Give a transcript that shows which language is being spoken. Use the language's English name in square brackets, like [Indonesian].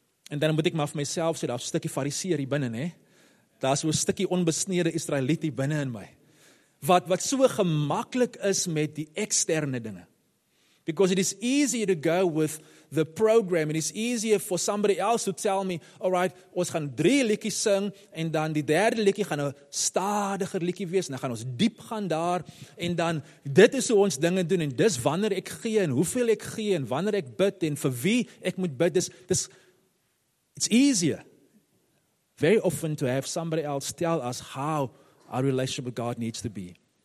[Afrikaans] En dan moet ek maar vir myself sê, daar is 'n stukkie fariseer hier binnen, hè. Daar is 'n stukkie onbesnede Israeliet hier binnen in my. Wat so gemakkelijk is met die externe dinge. [English] Because it is easier to go with the program. It is easier for somebody else to tell me, alright, [Afrikaans] ons gaan 3 liedjies sing, en dan die derde liedjie gaan 'n stadiger liedjie wees, en dan gaan ons diep gaan daar, en dan dit is hoe ons dinge doen, en dis wanneer ek gee, en hoeveel ek gee, en wanneer ek bid, en vir wie ek moet bid, dis [English] it's easier, very often, to have somebody else tell us how our relationship with God needs to be.